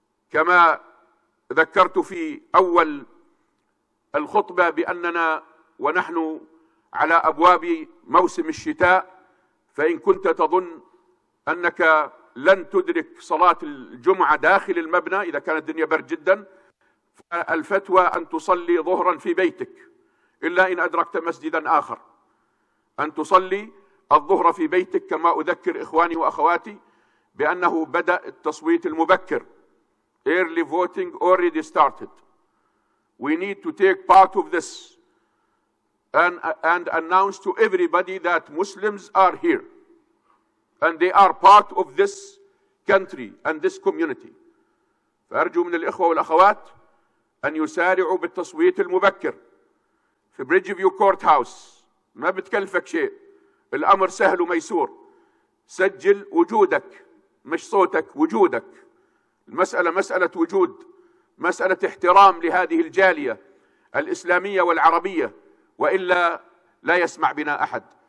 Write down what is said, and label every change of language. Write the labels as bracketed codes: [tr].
[ar] كما ذكرت في أول الخطبة بأننا ونحن على أبواب موسم الشتاء، فإن كنت تظن أنك لن تدرك صلاة الجمعة داخل المبنى إذا كانت الدنيا برد جدا، فالفتوى أن تصلي ظهرا في بيتك، إلا إن أدركت مسجدا آخر، أن تصلي الظهر في بيتك. كما أذكر إخواني وأخواتي بأنه بدأ التصويت المبكر، [en] early voting already started. We need to take part of this and announce to everybody that Muslims are here and they are part of this country and this community. [ar] فأرجو من الإخوة والأخوات أن يسارعوا بالتصويت المبكر في Bridgeview Courthouse. ما بتكلفك شيء، الأمر سهل وميسور. سجل وجودك مش صوتك، وجودك. المسألة مسألة وجود، مسألة احترام لهذه الجالية الإسلامية والعربية، وإلا لا يسمع بنا أحد.